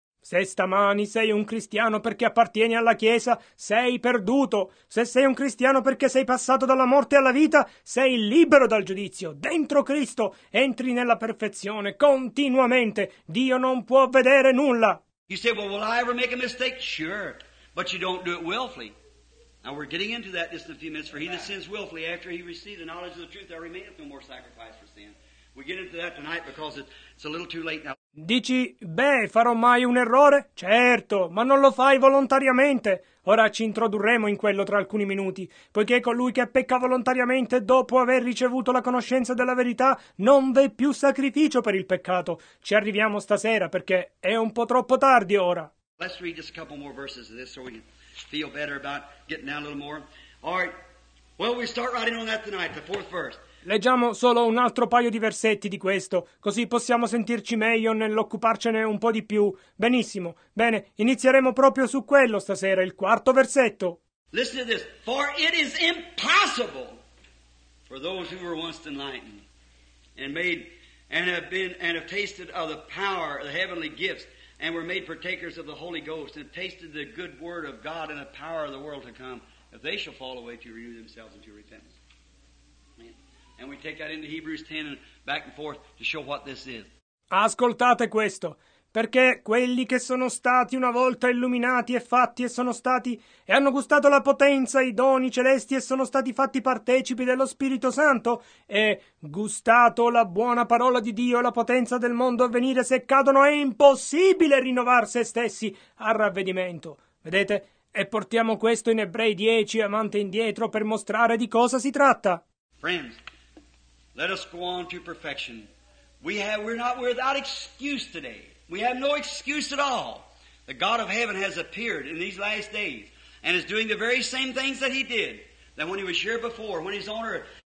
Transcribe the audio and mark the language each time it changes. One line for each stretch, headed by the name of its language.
Italian: Se stamani sei un cristiano perché appartieni alla Chiesa, sei perduto. Se sei un cristiano perché sei passato dalla morte alla vita, sei libero dal giudizio. Dentro Cristo entri nella perfezione continuamente. Dio non può vedere nulla.
English: You say, well, will I ever make a mistake? Sure, but you don't do it willfully. Now we're getting into that just in a few minutes. For he that sins willfully after he received the knowledge of the truth, there remaineth no more sacrifice for sin. We get into that tonight because it's a little too late now.
Italian: Dici, beh, farò mai un errore? Certo, ma non lo fai volontariamente. Ora ci introdurremo in quello tra alcuni minuti, poiché colui che pecca volontariamente dopo aver ricevuto la conoscenza della verità non v'è più sacrificio per il peccato. Ci arriviamo stasera, perché è un po' troppo tardi ora.
English: Let's read just a couple more verses of this so we can feel better about getting down a little more. All right, well, we start writing on that tonight, the fourth verse.
Italian: Leggiamo solo un altro paio di versetti di questo, così possiamo sentirci meglio nell'occuparcene un po' di più. Benissimo. Bene, inizieremo proprio su quello stasera, il quarto versetto.
English: Listen to this. For it is impossible for those who were once enlightened and made and have been and have tasted of the power of the heavenly gifts and were made partakers of the Holy Ghost and tasted the good word of God and the power of the world to come, if they shall fall away, to renew themselves into repentance. And we take that into Hebrews 10 and back and forth to show what this is.
Italian: Ascoltate questo, perché quelli che sono stati una volta illuminati e fatti e sono stati e hanno gustato la potenza, i doni celesti e sono stati fatti partecipi dello Spirito Santo e gustato la buona parola di Dio e la potenza del mondo a venire, se cadono è impossibile rinnovar se stessi al ravvedimento. Vedete? E portiamo questo in Ebrei 10, avanti e indietro, per mostrare di cosa si tratta.
English: Friends, let us go on to perfection. We're not without excuse today. We have no excuse at all. The God of heaven has appeared in these last days and is doing the very same things that he did that when he was here before, when he's on earth.